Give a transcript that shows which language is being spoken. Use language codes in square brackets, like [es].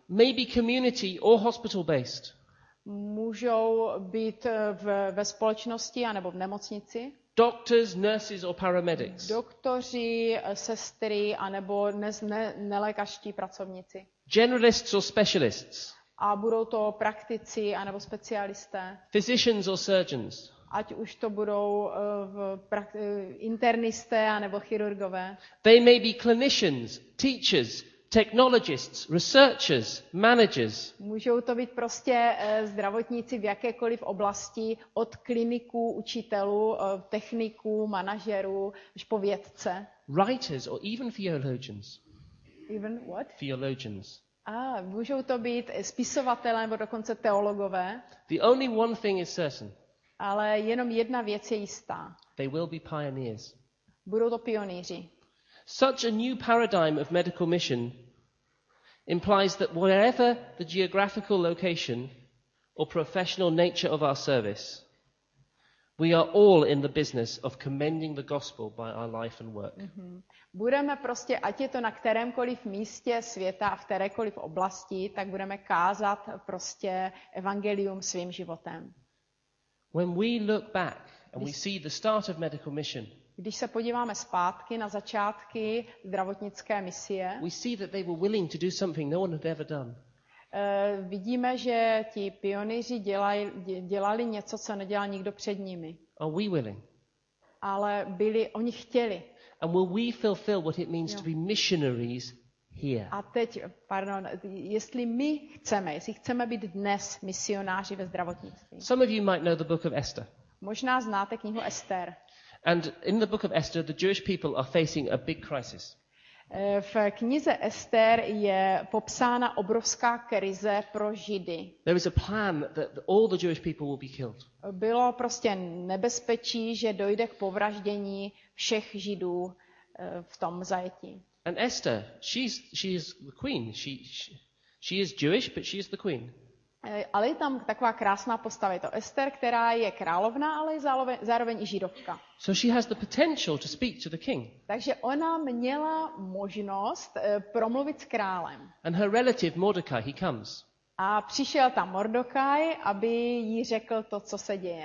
[en] may be community or hospital based. [cs] Můžou být ve společnosti anebo v nemocnici. [en] Doctors, nurses or paramedics. [cs] Doktoři, sestry anebo nelékařští pracovníci. [en] Generalists or specialists. [cs] A budou to praktici anebo specialisté. [en] Physicians or surgeons. [cs] Ať už to budou internisté anebo chirurgové. [en] They may be clinicians, teachers, technologists, researchers, managers. [cs] Můžou to být prostě zdravotníci v jakékoliv oblasti, od kliniků, učitelů, techniků, manažerů, až po vědce. [en] Writers or even theologians. Even what? Theologians. [cs] Můžou to být spisovatelé nebo dokonce teologové. [en] The only one thing is certain. [cs] Ale jenom jedna věc je jistá. [en] They will be pioneers. [cs] Budou to pionýři. [en] Such a new paradigm of medical mission implies that wherever the geographical location or professional nature of our service, we are all in the business of commending the gospel by our life and work. [cs] Budeme prostě, ať je to na kterémkoliv místě světa, v kterékoliv oblasti, tak budeme kázat prostě evangelium svým životem. [en] When we look back and we see the start of medical mission, [cs] když se podíváme zpátky na začátky zdravotnické misie, [en] we see that they were willing to do something no one had ever done. [cs] Vidíme, že ti pionýři dělali něco, co nedělal nikdo před nimi. [en] Are we willing? [cs] Ale byli, oni chtěli. [en] And will we fulfill what it means to be missionaries here? [cs] A teď, pardon, jestli my chceme, jestli chceme být dnes misionáři ve zdravotnictví. [en] Some of you might know the book of Esther. [cs] Možná znáte knihu Ester. [en] And in the book of Esther, the Jewish people are facing a big crisis. [cs] V knize Ester je popsána obrovská krize pro Židy. [en] There is a plan that all the Jewish people will be killed. [cs] Bylo prostě nebezpečí, že dojde k povraždění všech Židů v tom zajetí. [en] And Esther, she's the queen. She is Jewish, but she is the queen. [cs] Ale je tam taková krásná postava, je to Ester, která je královna, ale je zároveň i židovka. [en] So she has the potential to speak to the king. [cs] Takže ona měla možnost promluvit s králem. [en] And her relative Mordecai, he comes. [cs] A přišel tam Mordokaj, aby jí řekl to, co se děje.